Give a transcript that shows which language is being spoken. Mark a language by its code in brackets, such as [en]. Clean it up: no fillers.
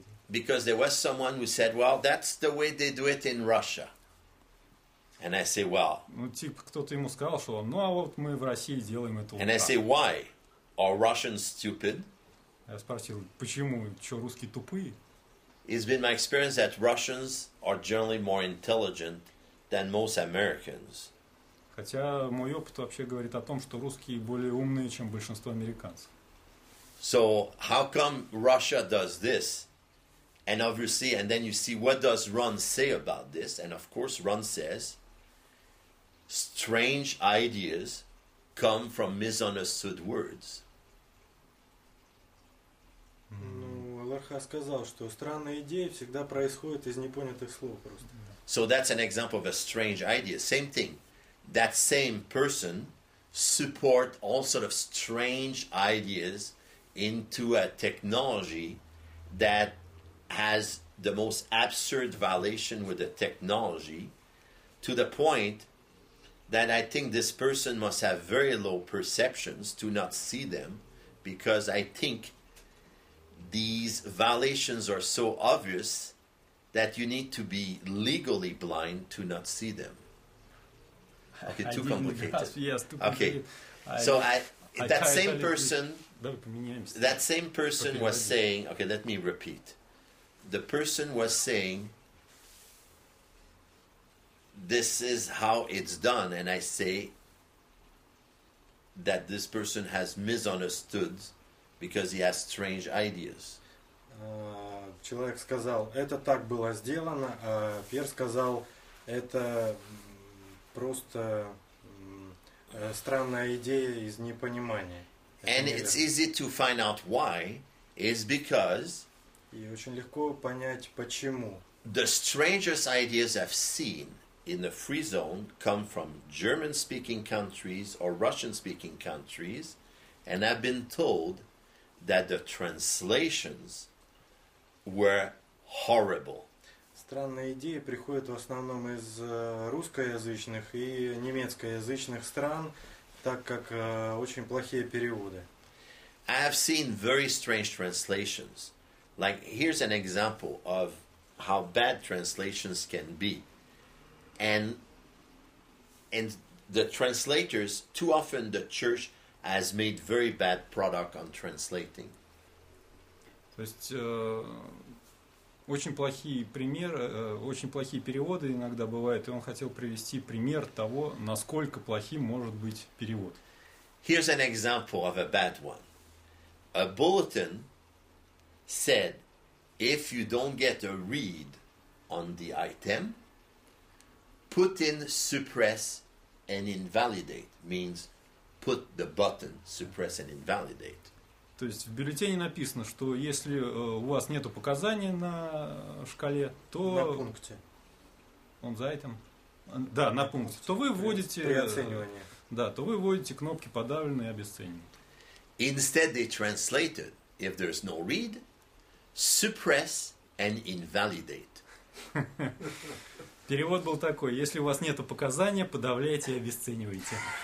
[en] Because there was someone who said, well, that's the way they do it in Russia. And I say, well. [ru] Ну, типа, кто-то ему сказал, что, ну, а вот мы в России делаем это. [en] And I say, why? Are Russians stupid? [ru] Я спросил, почему? Чё, русские тупые? [en] It's been my experience that Russians are generally more intelligent than most Americans. [ru] Хотя мой опыт вообще говорит о том, что русские более умные, чем большинство американцев. [en] So how come Russia does this? And obviously, and then you see, what does Ron say about this? And of course, Ron says, strange ideas come from misunderstood words. Ну, Аллаха сказал, что странные идеи всегда происходят из непонятых слов просто. So that's an example of a strange idea. Same thing. That same person support all sort of strange ideas into a technology that has the most absurd violation with the technology, to the point that I think this person must have very low perceptions to not see them, because I think these violations are so obvious that you need to be legally blind to not see them. Okay, too complicated. Yes, too complicated. Okay, so that same person, was saying, okay, let me repeat. The person was saying, this is how it's done, and I say that this person has misunderstood because he has strange ideas. [ru] Человек сказал, это так было сделано, а Пьер сказал, это просто странная идея из непонимания. [en] And it's easy to find out why. It's because... [ru] И очень легко понять, почему. [en] The strangest ideas I've seen in the free zone come from German-speaking countries or Russian-speaking countries, and I've been told that the translations were horrible. [ru] Странные идеи приходят в основном из русскоязычных и немецкоязычных стран, так как очень плохие переводы. [en] I have seen very strange translations. Like, here's an example of how bad translations can be. And the translators, too often the church has made very bad product on translating. [ru] То есть, очень плохие примеры, очень плохие переводы иногда бывают, и он хотел привести пример того, насколько плохим может быть перевод. [en] Here's an example of a bad one. A bulletin said, if you don't get a read on the item, put in suppress and invalidate. Means put the button, suppress and invalidate. [ru] То есть в бюллетене написано, что если у вас нету показания на шкале, то... На пункте. Он за этим? Да, на пункте. То вы вводите... При оценивании. Да, то вы вводите кнопки подавленные и обесценены. [en] Instead they translated, if there's no read, suppress and invalidate. [ru] Перевод был такой: если у вас нету показания, подавляйте и обесценивайте.